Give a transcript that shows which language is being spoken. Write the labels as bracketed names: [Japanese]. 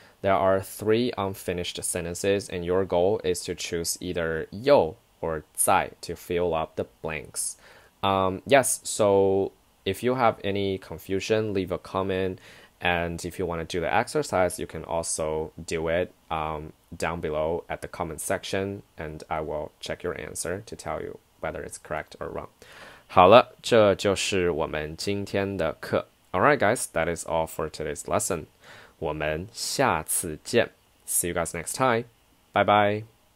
[English] There are three unfinished sentences, and your goal is to choose either 又 or 在 to fill up the blanks. Yes, so if you have any confusion, leave a comment. And if you want to do the exercise, you can also do it down below at the comment section, and I will check your answer to tell you whether it's correct or wrong. [Chinese] 好了，这就是我们今天的课。 [English] Alright guys, that is all for today's lesson. [Chinese] 我们下次见。 [English] See you guys next time. Bye bye.